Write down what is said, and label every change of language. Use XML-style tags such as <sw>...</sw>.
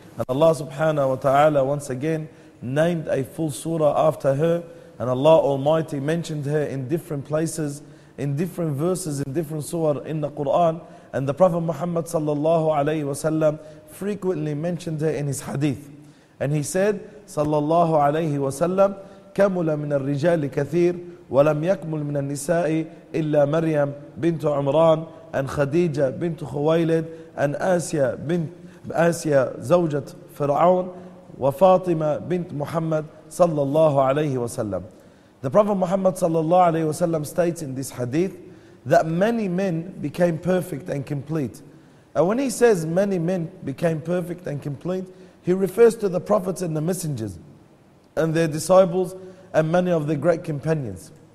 <en>And Allah subhanahu wa ta'ala once again named a full surah after her. And Allah Almighty mentioned her in different places, in different verses, in different surah in the Quran. And the Prophet Muhammad sallallahu alayhi wa sallam frequently mentioned her in his hadith. And he said,</en> <ar>sallallahu alayhi wa sallam, كَمُلَ مِنَ الرِّجَالِ كَثِيرٌ وَلَمْ يَكْمُلْ مِنَ النِّسَاءِ إِلَّا مَرْيَمْ بِنْتُ عُمْرَانْ</ar> <en>and</en> <ar>Khadija بِنْتُ خُوَيْلِدْ and Asia بِنْتُ Asia زوجة فرعون وفاطمة بنت محمد sallallahu alayhi wa sallam.</ar> <en>The Prophet Muhammad sallallahu alayhi wa sallam states in this hadith that many men became perfect and complete. And when he says many men became perfect and complete, he refers to the prophets and the messengers and their disciples and many of the great companions.</en>